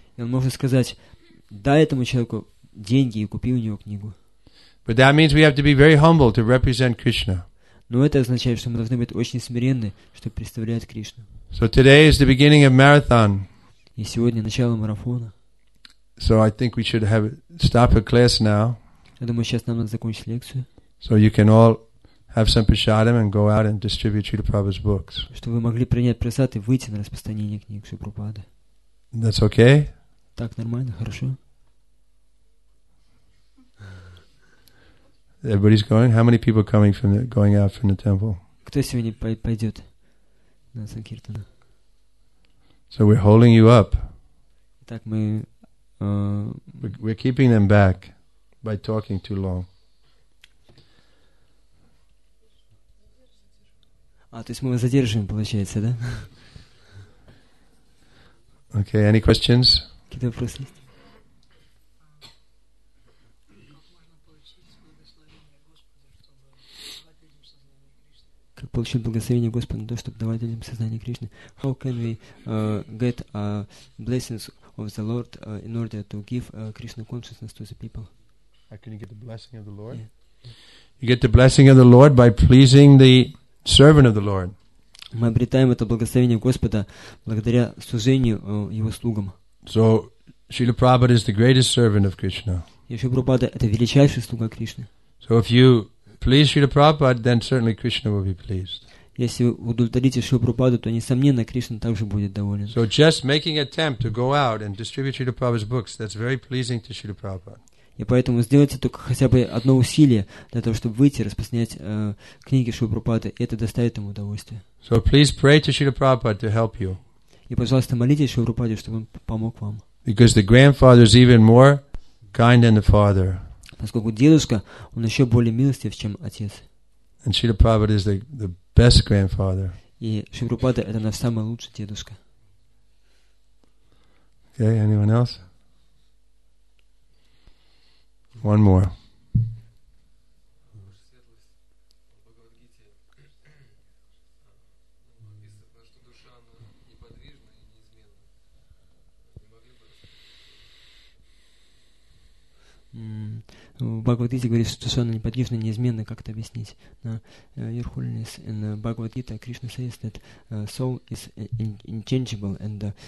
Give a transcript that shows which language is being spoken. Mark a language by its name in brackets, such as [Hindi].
[Russian] И он может сказать: дай этому человеку деньги и купи у него книгу. [English] But that means we have to be very humble to represent Krishna. [Russian] Но это означает, что мы должны быть очень смиренны, чтобы представлять Кришну. [English] So today is the beginning of marathon. [Russian] И сегодня начало марафона. [English] So I think we should have stop a class now. [Russian] Я думаю, сейчас нам надо закончить лекцию. [English] So you can all have some prasadam and go out and distribute Srila Prabhupada's books. [Russian] Чтобы вы могли принять просад и выйти на распространение книг Шри Прабхупады. [English] That's okay? [Russian] Так нормально, хорошо. [English] Everybody's going. How many people coming from the, going out from the temple? [Russian] Кто сегодня пойдет на санкиртану? [English] So we're holding you up. [Russian] Так мы. [English] We're keeping them back by talking too long. [Russian] А то есть мы вас задерживаем, получается, да? [English] Okay. Any questions? [Russian] Какие вопросы есть? Как получить благословение Господа на то, чтобы давать людям сознание Кришны? [English] How can we get blessings of the Lord in order to give Krishna consciousness to the people? How can you get the blessing of the Lord? Yeah. You get the blessing of the Lord by pleasing the servant of the Lord. [Russian] Мы обретаем это благословение Господа благодаря служению Его слугам. [English] So, Srila Prabhupada is the greatest servant of Krishna. [Russian] И Шрила Прабхупада – это величайший слуга Кришны. [English] So if you please Srila Prabhupada, then certainly Krishna will be pleased. [Russian] Если вы удовлетворите Шрилу Прабхупаду, то, несомненно, Кришна также будет доволен. [English] So just making an attempt to go out and distribute Srila Prabhupada's books, that's very pleasing to Srila Prabhupada. [Russian] И поэтому сделайте только хотя бы одно усилие для того, чтобы выйти и распространять книги Шрилы Прабхупады, и это доставит ему удовольствие. [English] So please pray to Srila Prabhupada to help you. [Russian] И, пожалуйста, молитесь Шрилу Прабхупаде, чтобы он помог вам. [English] Because the grandfather is even more kind than the father. [Russian] Поскольку дедушка, он еще более милостив, чем отец. [English] And Srila Prabhupada is the best grandfather. [Russian] И Шрила Прабхупада – это наш самый лучший дедушка. [English] Okay, anyone else? One more. [Russian] Bhagavad Gita говорит, что душа неподвижна, неизменна, как это объяснить? [English] Your holiness in Bhagavad Gita, Krishna says that soul is unchangeable and